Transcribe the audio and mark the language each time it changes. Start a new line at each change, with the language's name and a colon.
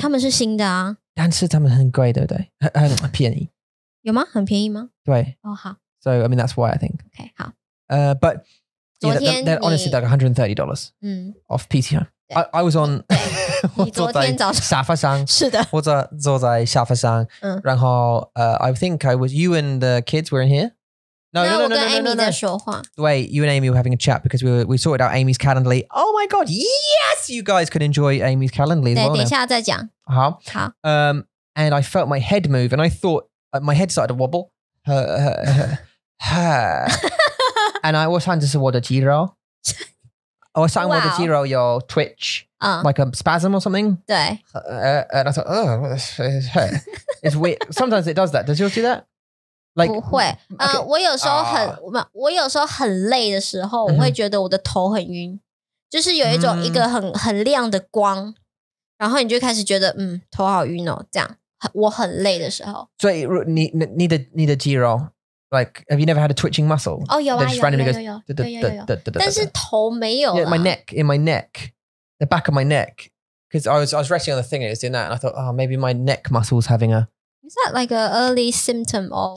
Chinese: 他们是新的啊。但是他们很贵，对不对？很便宜。有吗？很便宜吗？对。哦，好。So,
English: I mean, that's why I think. Okay, 好。 But, yeah, they're honestly like $130 off PTO. I was on...
Chinese: 你昨天早上。沙发上。是的。我坐在沙发上。然后,
English: I think I was... You and the kids were in here? No. Wait, you and Amy were having a chat because we sorted out Amy's Calendly. Oh my God, yes! You guys could enjoy Amy's Calendly as well.
Chinese: 等一下再讲。好。
English: And I felt my head move and I thought, my head started to wobble. And I was trying to
Chinese: 我的肌肉有
English: Twitch. like a spasm or something.
Chinese: 对。
English: And I thought, oh, it's weird. Sometimes it does that. Does yours do that?
Chinese: Like, 不会。我有时候很、我有时候很累的时候，我会觉得我的头很晕，就是有一种一个很亮的光，然后你就开始觉得，头好晕哦，这样。我很累的时候。所以你的肌肉。
English: Like, have you never had a twitching muscle? Oh, yeah, yeah, yeah, yeah, yeah.
Chinese: 但是头没有了。
English: In my neck, the back of my neck. Because I was resting on the thing and it was doing that. And I thought, oh, maybe my neck muscle's having a... Is that like an early symptom of...